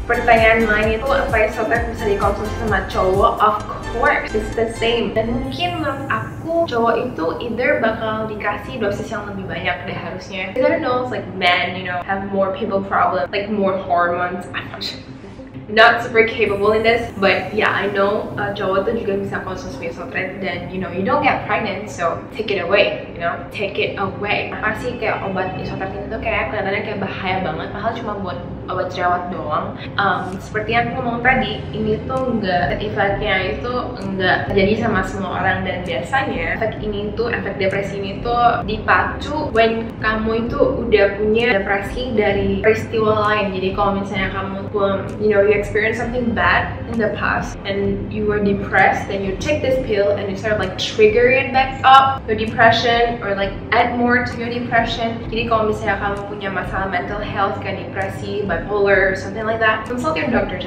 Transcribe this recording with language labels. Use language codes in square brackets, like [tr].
[id] Pertanyaan lain itu, apa isotret bisa dikonsumsi sama cowok? [en] Of course, it's the same. [id] Dan mungkin menurut aku, cowok itu either bakal dikasih dosis yang lebih banyak deh harusnya. [en] I don't know, it's like men, you know, have more pimple problems, like more hormones. Not super capable in this, but yeah, I know [id] cowok tuh juga bisa konsumsi isotret, dan [en] you know, you don't get pregnant, so take it away, you know, take it away. [id] Apa sih kayak obat isotret itu kayak kelihatannya kayak bahaya banget, padahal cuma buat obat jerawat doang. Seperti yang aku ngomong tadi, ini tuh enggak, efeknya itu enggak terjadi sama semua orang, dan biasanya efek ini tuh, efek depresi ini tuh dipacu when kamu itu udah punya depresi dari peristiwa lain. Jadi kalau misalnya kamu pun, [en] you know, you experience something bad in the past and you were depressed, then you take this pill and you sort of like trigger it back up your depression or like add more to your depression. [id] Jadi kalau misalnya kamu punya masalah mental health kayak depresi, bipolar, [en] or something like that, consult your doctor.